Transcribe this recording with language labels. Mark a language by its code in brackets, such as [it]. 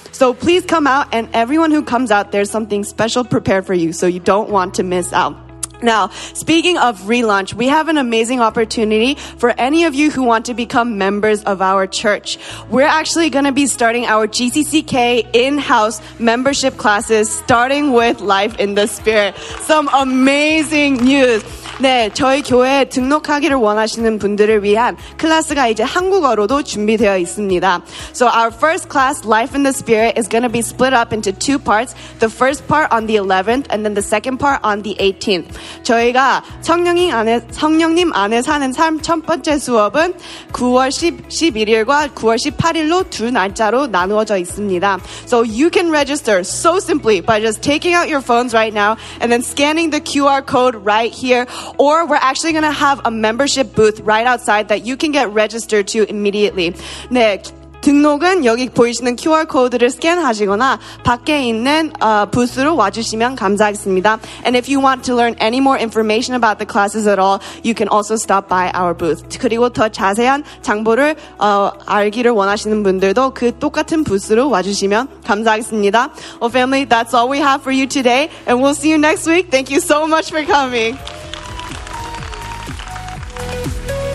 [en] So please come out, and everyone who comes out, there's something special prepared for you, so you don't want to miss out. Now, speaking of relaunch, we have an amazing opportunity for any of you who want to become members of our church. We're actually going to be starting our GCCK in-house membership classes, starting with Life in the Spirit. Some amazing news. [ko] 네, 저희 교회에 등록하기를 원하시는 분들을 위한 클래스가 이제 한국어로도 준비되어 있습니다. [en] So our first class, Life in the Spirit, is going to be split up into two parts. The first part on the 11th, and then the second part on the 18th. [ko] 저희가 성령님 안에 사는 삶 첫 번째 수업은 9월 11일과 9월 18일로 두 날짜로 나누어져 있습니다. [en] So you can register so simply by just taking out your phones right now and then scanning the QR code right here. Or we're actually going to have a membership booth right outside that you can get registered to immediately. [ko] 네, 등록은 여기 보이시는 QR 코드를 스캔하시거나 밖에 있는 부스로 와주시면 감사하겠습니다. [en] And if you want to learn any more information about the classes at all, you can also stop by our booth. [ko] 그리고 더 자세한 정보를 알기를 원하시는 분들도 그 똑같은 부스로 와주시면 감사하겠습니다. [en] Well, family, that's all we have for you today, and we'll see you next week. Thank you so much for coming. Thank you.